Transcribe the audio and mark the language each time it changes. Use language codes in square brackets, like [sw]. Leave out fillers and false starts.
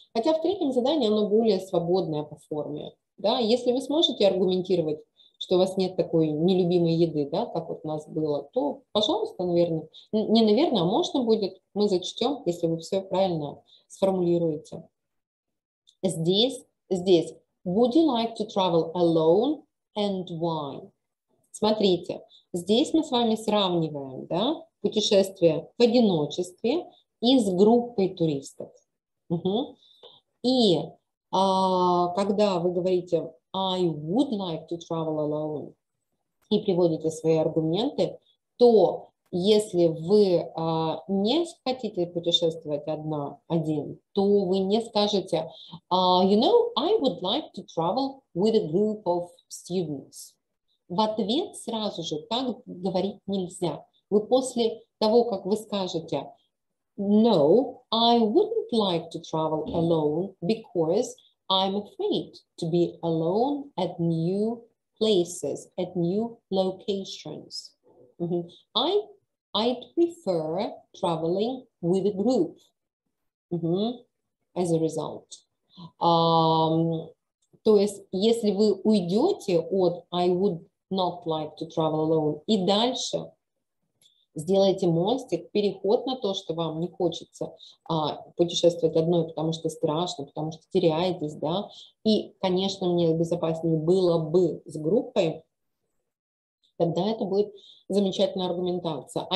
[ru] Хотя в третьем задании оно более свободное по форме. Да, если вы сможете аргументировать, что у вас нет такой нелюбимой еды, да, как вот у нас было, то, пожалуйста, наверное, не наверное, а можно будет, мы зачтем, если вы все правильно сформулируете. Здесь. [en] Would you like to travel alone and why? [ru] Смотрите, здесь мы с вами сравниваем, да, путешествие в одиночестве и с группой туристов. Угу. И когда вы говорите [en] I would like to travel alone [ru] и приводите свои аргументы, то если вы не хотите путешествовать один, то вы не скажете, [en] you know, I would like to travel with a group of students. [ru] В ответ сразу же так говорить нельзя. Вы после того, как вы скажете, [en] no, I wouldn't like to travel alone because I'm afraid to be alone at new places, at new locations. Mm-hmm. I'd prefer traveling with a group mm-hmm. as a result. [ru] То есть, если вы уйдете от [en] I would not like to travel alone [ru] и дальше сделаете мостик, переход на то, что вам не хочется путешествовать одной, потому что страшно, потому что теряетесь, да, и, конечно, мне безопаснее было бы с группой, тогда это будет замечательная аргументация.